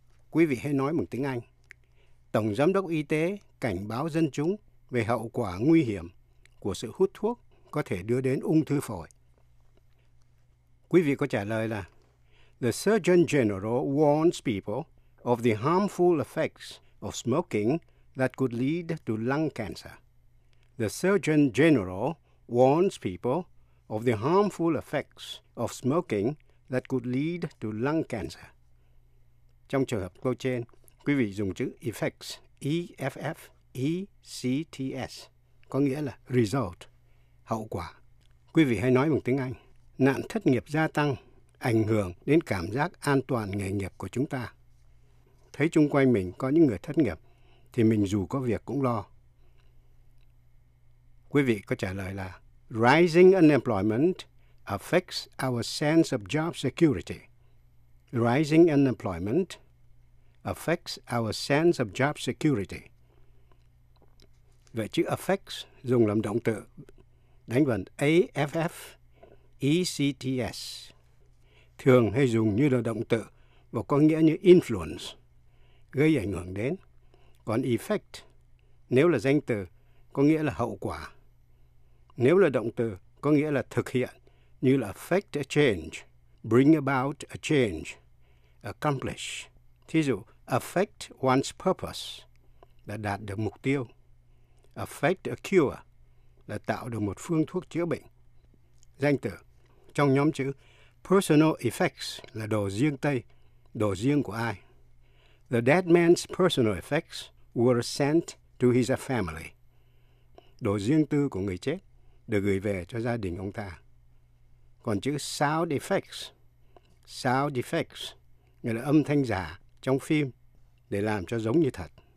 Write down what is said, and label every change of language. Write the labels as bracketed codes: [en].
[vi] Quý vị hãy nói bằng tiếng Anh. Tổng Giám đốc Y tế cảnh báo dân chúng về hậu quả nguy hiểm của sự hút thuốc có thể đưa đến ung thư phổi. Quý vị có trả lời là [en] The Surgeon General warns people of the harmful effects of smoking that could lead to lung cancer. The Surgeon General warns people of the harmful effects of smoking that could lead to lung cancer. [vi] Trong trường hợp câu trên, quý vị dùng chữ effects, E-F-F-E-C-T-S, có nghĩa là result, hậu quả. Quý vị hãy nói bằng tiếng Anh. Nạn thất nghiệp gia tăng ảnh hưởng đến cảm giác an toàn nghề nghiệp của chúng ta. Thấy chung quanh mình có những người thất nghiệp, thì mình dù có việc cũng lo. Quý vị có trả lời là [en] rising unemployment affects our sense of job security. Rising unemployment affects our sense of job security. [vi] Vậy chữ affects dùng làm động từ, đánh vần A-F-F-E-C-T-S. Thường hay dùng như là động từ và có nghĩa như influence, gây ảnh hưởng đến. Còn effect, nếu là danh từ, có nghĩa là hậu quả. Nếu là động từ, có nghĩa là thực hiện, như là [en] effect a change, bring about a change, accomplish. [vi] Thí dụ, [en] affect one's purpose, [vi] là đạt được mục tiêu. [en] Affect a cure, [vi] là tạo được một phương thuốc chữa bệnh. Danh từ, trong nhóm chữ, personal effects là đồ riêng tây, đồ riêng của ai. [en] The dead man's personal effects were sent to his family. [vi] Đồ riêng tư của người chết được gửi về cho gia đình ông ta. Còn chữ sound effects nghĩa là âm thanh giả trong phim để làm cho giống như thật.